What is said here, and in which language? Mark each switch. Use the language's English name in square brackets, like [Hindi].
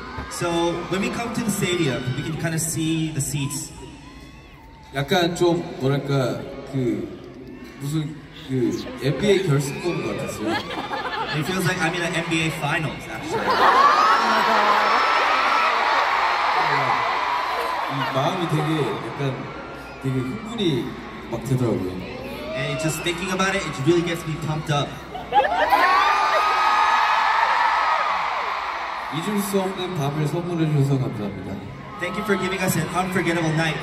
[English] So when we come to the stadium, we can kind of see the seats. [Korean] 약간 좀 뭐랄까 그 무슨 그 NBA 결승전 것 같았어요. [English] It feels like I'm in the NBA finals, actually. [Korean] 이 마음이 되게 약간 되게 흥분이 막 되더라고요. [English] And just thinking about it, it really gets me pumped up. [Korean] 잊을 수 없는 밤을 선물해 주셔서 감사합니다. [English] Thank you for giving us an unforgettable night.